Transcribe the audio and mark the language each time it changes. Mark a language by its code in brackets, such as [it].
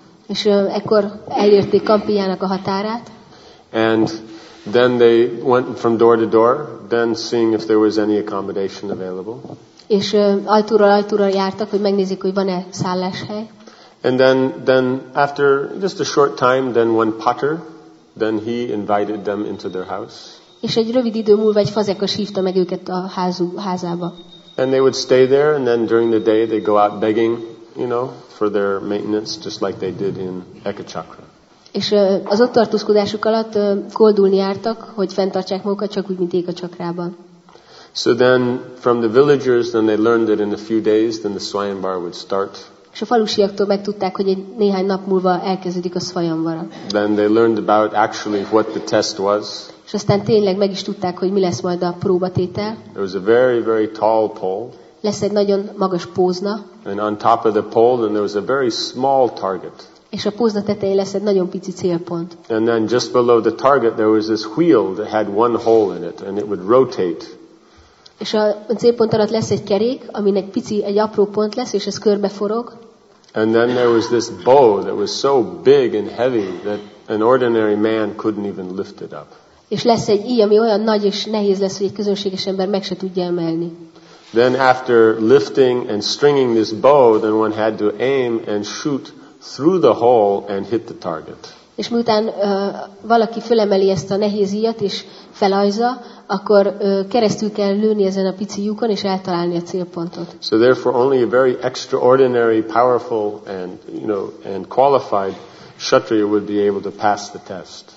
[hu] És ekkor elérték Kampiljának a határát. [en] And then they went from door to door, then seeing if there was any accommodation available. [hu] És ajtóról ajtóra jártak, hogy megnézik, hogy van-e szálláshely. [en] And then after just a short time, then one potter, then he invited them into their house. [hu] És egy rövid idő múlva egy fazekas hívta meg őket a házába. [en] And they would stay there, and then during the day they go out begging, you know, for their maintenance, just like they did in Ekachakra. [hu] És az ott tartózkodásuk alatt koldulni jártak, hogy fenntartsák magukat, csak úgy, mint Ekachakrában. [en] So then from the villagers, then they learned that in a few days then the Swayamvara would start. [hu] És a falusiaktól megtudták, hogy egy néhány nap múlva elkezdődik a Swayamvara. [en] Then they learned about actually what the test was. [hu] És aztán tényleg meg is tudták, hogy mi lesz majd a próbatétel. [en] There was a very, very tall pole. [hu] Lesz egy nagyon magas pózna. [en] And on top of the pole, then there was a very small target. [hu] És a pózna tetején lesz egy nagyon pici célpont. [en] And then just below the target there was this wheel that had one hole in it and it would rotate. [hu] És a célpont alatt lesz egy kerék, amin egy pici, egy apró pont lesz, és ez körbeforog. [en] And then there was this bow that was so big and heavy that an ordinary man couldn't even lift it up. [hu] És lesz egy íj, ami olyan nagy és nehéz lesz, hogy egy közönséges ember meg se tudja emelni. [en] Then after lifting and stringing this bow, then one had to aim and shoot through the hole and hit the target. [hu] És miután valaki fölemeli ezt a nehéz íjat és felajza, akkor keresztül kell lőni ezen a pici lyukon és eltalálni a célpontot. [en] So therefore only a very extraordinary, powerful and, you know, and qualified kshatriya would be able to pass the test.